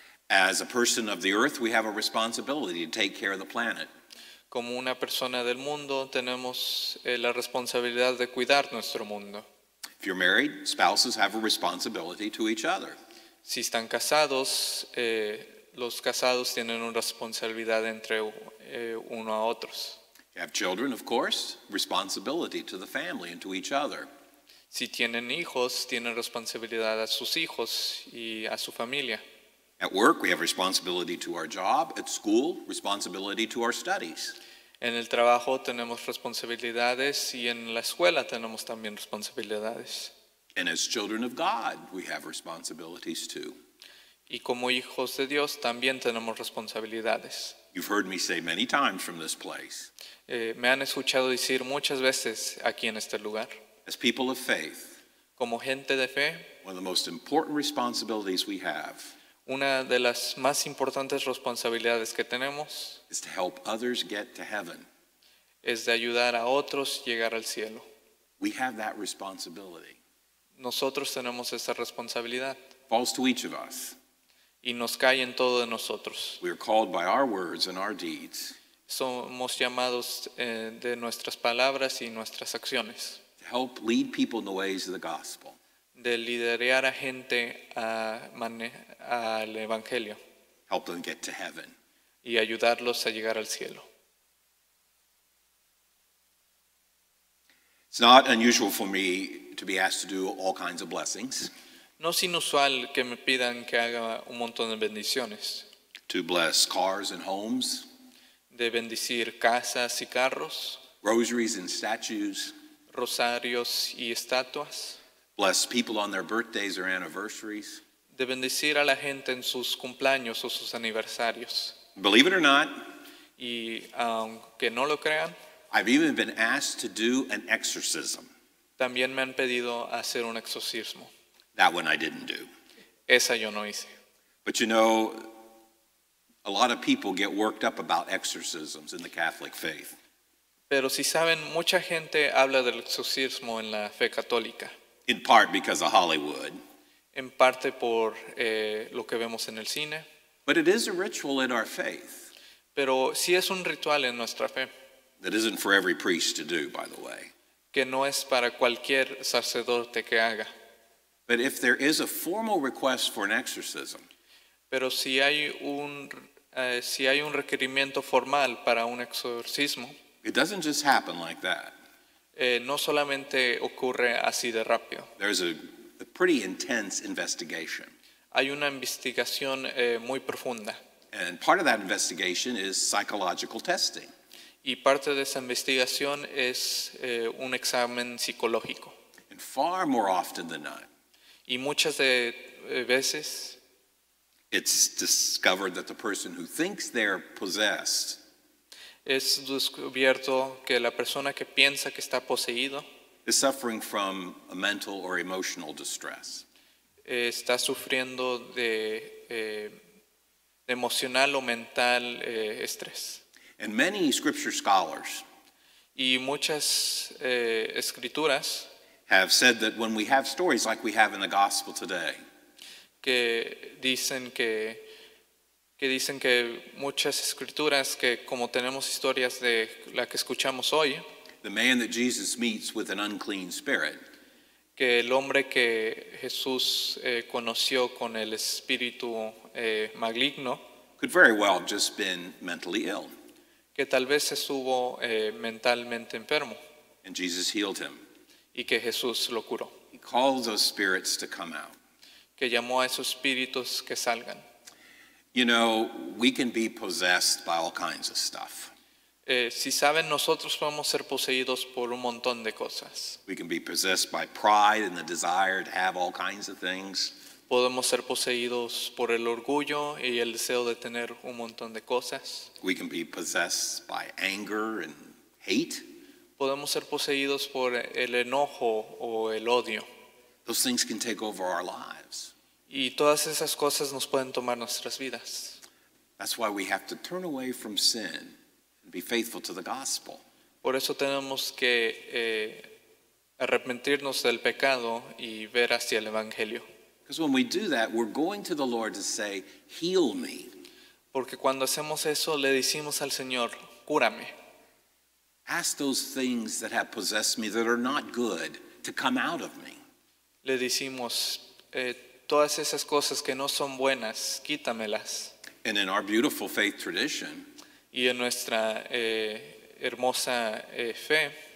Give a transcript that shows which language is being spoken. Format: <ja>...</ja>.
<en>As a person of the earth, we have a responsibility to take care of the planet.</en> <es>Como una persona del mundo, tenemos la responsabilidad de cuidar nuestro mundo.</es> <en>If you're married, spouses have a responsibility to each other.</en> <es>Si están casados, los casados tienen una responsabilidad entre uno a otros.</es> <en>You have children, of course, responsibility to the family and to each other.</en> <es>Si tienen hijos, tienen responsabilidad a sus hijos y a su familia.</es> <en>At work, we have responsibility to our job. At school, responsibility to our studies.</en> <es>En el trabajo tenemos responsabilidades y en la escuela tenemos también responsabilidades.</es> <en>And as children of God, we have responsibilities too.</en> <es>Y como hijos de Dios también tenemos responsabilidades.</es> <en>You've heard me say many times from this place.</en> <es>Me han escuchado decir muchas veces aquí en este lugar.</es> <en>As people of faith,</en> <es>como gente de fe,</es> <en>one of the most important responsibilities we have,</en> <es>una de las más importantes responsabilidades que tenemos,</es> <en>is to help others get to heaven.</en> <es>Es de ayudar a otros llegar al cielo.</es> <en>We have that responsibility.</en> <es>Nosotros tenemos esa responsabilidad.</es> <en>Falls to each of us.</en> <es>Y nos cae en todo de nosotros.</es> <en>We are called by our words and our deeds.</en> <es>Somos llamados de nuestras palabras y nuestras acciones.</es> <en>To help lead people in the ways of the gospel.</en> <es>De liderar a gente al evangelio.</es> <en>Help them get to heaven.</en> <es>Y ayudarlos a llegar al cielo.</es> <en>It's not unusual for me to be asked to do all kinds of blessings.</en> <es>No es inusual que me pidan que haga un montón de bendiciones.</es> <en>To bless cars and homes.</en> <es>De bendecir casas y carros.</es> <en>Rosaries and statues.</en> <es>Rosarios y estatuas.</es> <en>Bless people on their birthdays or anniversaries.</en> <es>De bendecir a la gente en sus cumpleaños o sus aniversarios.</es> <en>Believe it or not,</en> <es>y aunque no lo crean,</es> <en>I've even been asked to do an exorcism.</en> <es>También me han pedido hacer un exorcismo.</es> <en>That one I didn't do.</en> <es>Esa yo no hice.</es> <en>But you know, a lot of people get worked up about exorcisms in the Catholic faith.</en> <es>Pero si saben, mucha gente habla del exorcismo en la fe católica.</es> <en>In part because of Hollywood.</en> <es>En parte por lo que vemos en el cine.</es> <en>But it is a ritual in our faith.</en> <es>Pero sí es un ritual en nuestra fe.</es> <en>That isn't for every priest to do, by the way.</en> <es>Que no es para cualquier sacerdote que haga.</es> <en>But if there is a formal request for an exorcism.</en> <es>Pero si hay un requerimiento formal para un exorcismo.</es> <en>It doesn't just happen like that.</en> <es>No solamente ocurre así de rápido.</es> <en>There's a pretty intense investigation.</en> <es>Hay una investigación muy profunda.</es> <en>And part of that investigation is psychological testing.</en> <es>Y parte de esa investigación es un examen psicológico.</es> <en>And far more often than not.</en> <es>Y muchas de veces.</es> <en>It's discovered that the person who thinks they're possessed.</en> <es>Es descubierto que la persona que piensa que está poseído</es> <en>is suffering from a mental or emotional distress.</en> <es>Está sufriendo de emocional o mental estrés.</es> <en>And many scripture scholars</en> <es>y muchas escrituras</es> <en>have said that when we have stories like we have in the gospel today,</en> <es>que dicen que que dicen que muchas escrituras que como tenemos historias de la que escuchamos hoy,</es> <en>the man that Jesus meets with an unclean spirit,</en> <es>que el hombre que Jesús conoció con el espíritu maligno,</es> <en>could very well have just been mentally ill,</en> <es>que tal vez estuvo mentalmente enfermo,</es> <en>and Jesus healed him,</en> <es>y que Jesús lo curó.</es> <en>He called those spirits to come out,</en> <es>que llamó a esos espíritus que salgan.</es> <en>You know, we can be possessed by all kinds of stuff.</en> <es>Si saben, nosotros podemos ser poseídos por un montón de cosas.</es> <en>We can be possessed by pride and the desire to have all kinds of things.</en> <es>Podemos ser poseídos por el orgullo y el deseo de tener un montón de cosas.</es> <en>We can be possessed by anger and hate.</en> <es>Podemos ser poseídos por el enojo o el odio.</es> <en>Those things can take over our lives.</en> <es>Y todas esas cosas nos pueden tomar nuestras vidas.</es> <en>That's why we have to turn away from sin and be faithful to the gospel.</en> <es>Por eso tenemos que arrepentirnos del pecado y ver hacia el evangelio.</es> <en>Because when we do that, we're going to the Lord to say, heal me.</en> <es>Porque cuando hacemos eso, le decimos al Señor, cúrame.</es> <en>Ask those things that have possessed me that are not good to come out of me.</en> <es>Le decimos, todas esas cosas que no son buenas, quítamelas.</es> <en>And in our beautiful faith tradition,</en> <es>y en nuestra hermosa fe,</es>